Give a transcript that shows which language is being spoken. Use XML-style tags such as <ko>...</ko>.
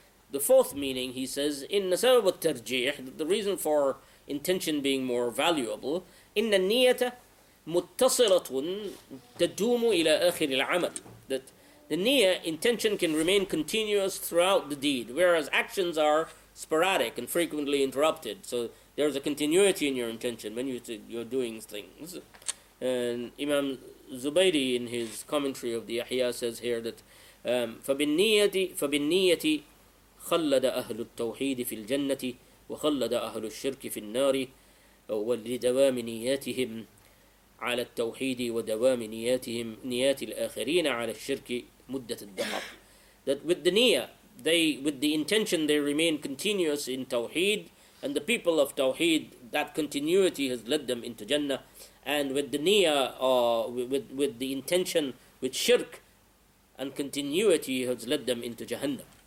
<en>The fourth meaning, he says,</en> <ar>إن سبب الترجيح,</ar> <en>the reason for intention being more valuable,</en> <ar>إن النية متصلة تدوم إلى آخر العمل,</ar> <en>that the niyyah, intention, can remain continuous throughout the deed, whereas actions are sporadic and frequently interrupted. So there's a continuity in your intention when you're doing things. And Imam Zubaydi, in his commentary of the Ihya, says here that</en> <ar>فَبِالنِّيَّةِ خَلَّدَ أَهْلُ التَّوْحِيدِ فِي الْجَنَّةِ وَخَلَّدَ أَهْلُ الشِّرْكِ فِي النَّارِ وَلِدَوَامِ نِيَّتِهِمْ عَلَى التَّوْحِيدِ وَدَوَامِ نِيَّاتِ الْآخِرِينَ عَلَى الشِّرْكِ مُدَّةِ الدَّهَرِ.</ar> <en>That with the niyyah, with the intention, they remain continuous in tawheed, and the people of tawheed, that continuity has led them into Jannah. And with the niyyah, with the intention, with shirk, and continuity has led them into Jahannam.</en>